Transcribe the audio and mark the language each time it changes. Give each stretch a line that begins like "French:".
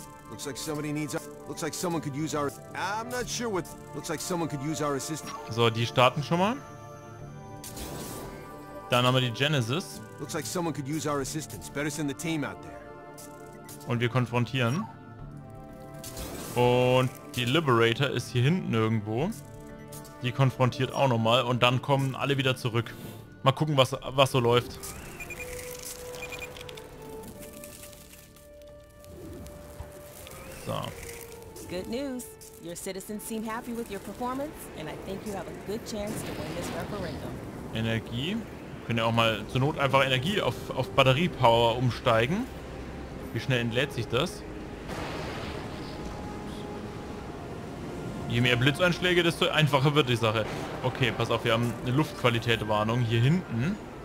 English: Looks like somebody needs our... Looks like someone could use our... I'm not sure what... Looks like someone could use our assistant.
German: So, die starten schon mal. Dann haben wir die Genesis.
English: Looks like someone could use our assistance. Better send the team out there.
German: Und wir konfrontieren. Und die Liberator ist hier hinten irgendwo. Die konfrontiert auch nochmal. Und dann kommen alle wieder zurück. Mal gucken, was so läuft. So.
English: Good news. Your citizens seem happy with your performance. And I think you have a good chance to win this referendum.
German: Energie. Können ja auch mal zur Not einfach Energie auf Batteriepower umsteigen. Wie schnell entlädt sich das? Je mehr Blitzeinschläge, desto einfacher wird die Sache. Okay, pass auf, wir haben eine Luftqualitätswarnung hier hinten.